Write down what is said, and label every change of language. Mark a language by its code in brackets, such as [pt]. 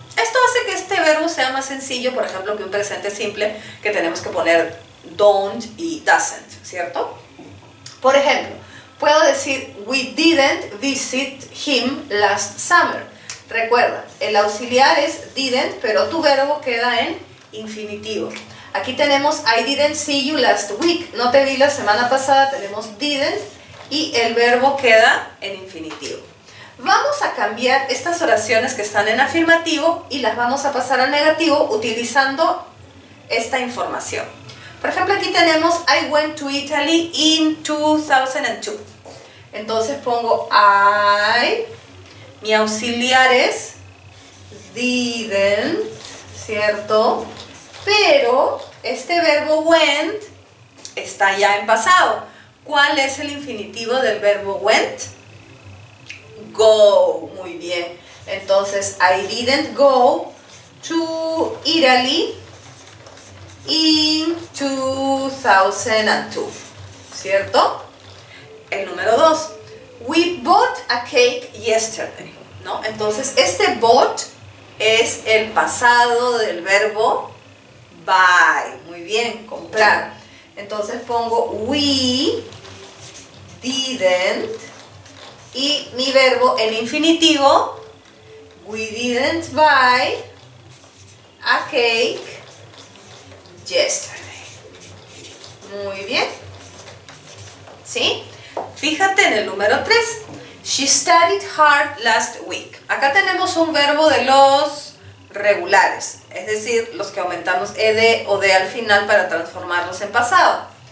[es] Esto hace que este verbo sea más sencillo, por ejemplo, que un presente simple que tenemos que poner don't y doesn't, ¿cierto? Por ejemplo, puedo decir, [en] we didn't visit him last summer. [es] Recuerda, el auxiliar es didn't, pero tu verbo queda en infinitivo. Aquí tenemos, [en] I didn't see you last week. [es] No te vi la semana pasada, tenemos didn't y el verbo queda en infinitivo. Vamos a cambiar estas oraciones que están en afirmativo y las vamos a pasar a negativo utilizando esta información. Por ejemplo, aquí tenemos [en] I went to Italy in 2002. [es] Entonces pongo I, mi auxiliar es didn't, ¿cierto? Pero este verbo went está ya en pasado. ¿Cuál es el infinitivo del verbo went? [en] Go, [es] muy bien. Entonces, [en] I didn't go to Italy in 2002, [es] ¿cierto? El número 2, [en] we bought a cake yesterday, ¿no? [es] Entonces, este bought es el pasado del verbo buy, muy bien, comprar. Entonces, pongo [en] we didn't [es] y mi verbo en infinitivo, [en] we didn't buy a cake yesterday. [es] Muy bien. ¿Sí? Fíjate en el número 3. [en] She studied hard last week. [es] Acá tenemos un verbo de los regulares, es decir, los que aumentamos ed o de al final para transformarlos en pasado.